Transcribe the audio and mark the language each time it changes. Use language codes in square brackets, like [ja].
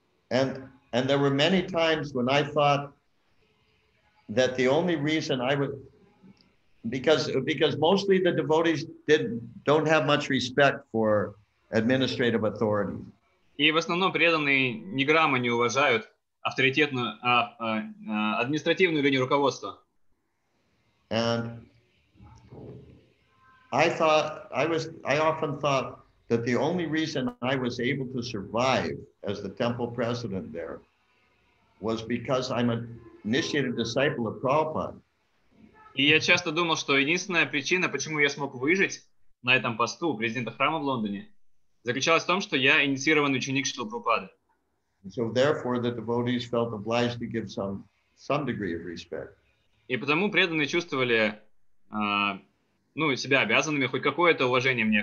[en] And there were many times when I thought that the only reason I would, because mostly the devotees don't have much respect for administrative authority. [ru] И в основном преданные ни грамма не уважают авторитетную административную линию руководства. [en] And I thought I often thought that the only reason I was able to survive as the temple president there was because I'm an initiated disciple of Prabhupada. [ru] И я часто думал, что единственная причина, почему я смог выжить на этом посту президента храма в Лондоне заключалась в том, что я инициированный ученик Шрилы Прабхупады. [en] So therefore the devotees felt obliged to give some degree of respect. [ru] И потому преданные чувствовали себя обязанными хоть какое-то уважение мне